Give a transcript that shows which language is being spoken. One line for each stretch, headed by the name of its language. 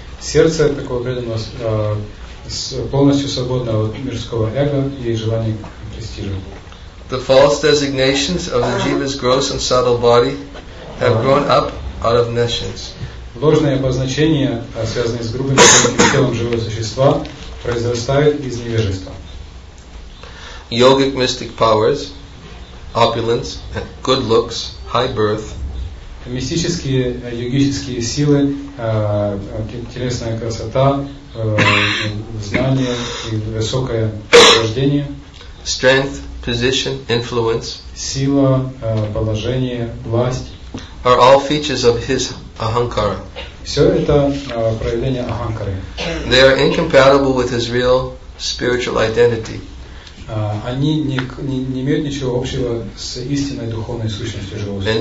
Russian: Сердце такого преданного полностью свободно от мирского эго и желаний.
English: The false designations of the jiva's gross and subtle body have grown up out of nescience.
Russian: Ложные обозначения, связанные с грубым телом живого существа, произрастают из невежества.
English: Yogic mystic powers, opulence, good looks, high birth.
Russian: Мистические йогические силы, телесная красота, знание и высокое рождение.
English: Strength, position, influence,
Russian: сила, положение, власть,
English: are all features of his ahankara.
Russian: Все это проявление аханкары.
English: They are incompatible with his real spiritual identity.
Russian: Они не имеют ничего общего с истинной духовной сущностью живого существа.